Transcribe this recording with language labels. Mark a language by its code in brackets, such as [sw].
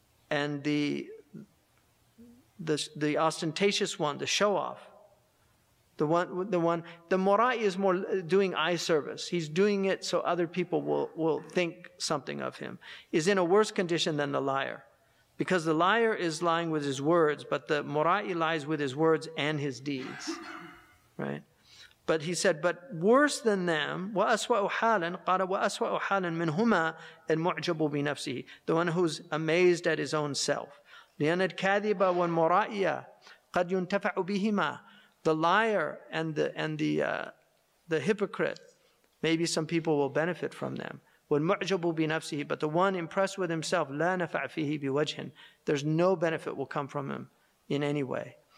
[en] And the ostentatious one, the show-off, the murai is more doing eye service. He's doing it so other people will think something of him. Is in a worse condition than the liar. Because the liar is lying with his words, but the murai lies with his words and his deeds. Right? But he said, but worse than them, [ar] وَأَسْوَأُ حَالًا قَالَ وَأَسْوَأُ حَالًا مِنْهُمَا الْمُعْجَبُ بِنَفْسِهِ. [en] The one who's amazed at his own self. [ar] لِأَنَ الْكَاذِبَ وَالْمُرَائِيَ قَدْ يُنْتَفَعُ بِهِمَا. [en] The liar and the hypocrite, maybe some people will benefit from them. [ar] وَالْمُعْجَبُ بِنَفْسِهِ. [en] But the one impressed with himself, [ar] لَا نَفَعْ فِيهِ بِوَجْهٍ. [en] There's no benefit will come from him in any way.